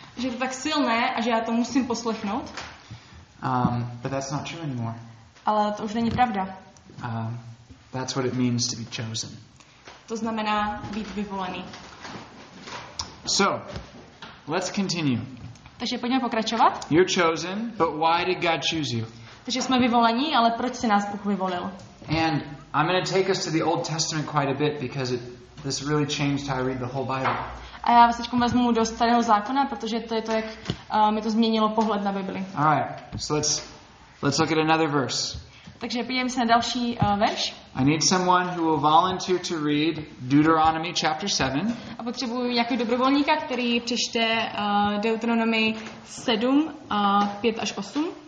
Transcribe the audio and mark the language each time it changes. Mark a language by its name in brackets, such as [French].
[Czech] Že je to tak silné a že já to musím poslechnout. [English] But that's not true anymore. [Czech] Ale to už není pravda. [English] That's what it means to be chosen. [Czech] To znamená být vyvolený. [English] So, let's continue. [Czech] Takže pojďme pokračovat. [English] You're chosen, but why did God choose you? [Czech] Takže jsme vyvolení, ale proč si nás Bůh vyvolil? [English] And I'm going to take us to the Old Testament quite a bit because this really changed how I read the whole Bible. [Czech] A já vás teďka vezmu do Starého zákona, protože to je to, jak mi to změnilo pohled na Bibli. [English] All right, so let's look at another verse. [Czech] Takže podívejme se na další verš. [English] I need someone who will volunteer to read Deuteronomy chapter 7. [Czech] A potřebuji nějakého dobrovolníka, který přečte Deuteronomy 7, 5 až 8.